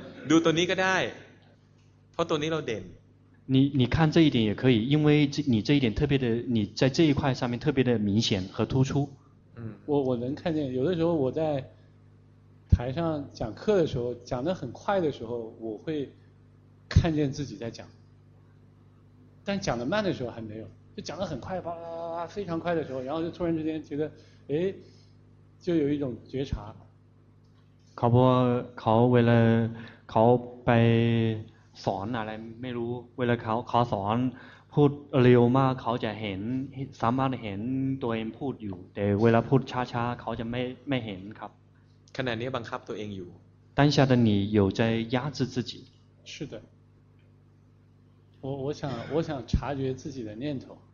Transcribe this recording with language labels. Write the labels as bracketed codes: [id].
[th] ดูตัวนี้ก็ได้เพราะตัวนี้เราเด่น [zh] 你看这一点也可以因为你这一点特别的你在这一块上面特别的明显和突出我能看见有的时候我在台上讲课的时候讲得很快的时候我会看见自己在讲但讲得慢的时候还没有就讲得很快吧非常快的时候然后就突然之间觉得哎就有一种觉察 [th] เขาเพราะเขาเวลาเขาไปสอนอะไรไม่รู้เวลาเขาสอนพูดเร็วมากเขาจะเห็นสามารถเห็นตัวเองพูดอยู่แต่เวลาพูดช้าๆเขาจะไม่เห็นครับ ขณะนี้บังคับตัวเองอยู่ [zh] 当下的你有在压制自己是的我想察觉自己的念头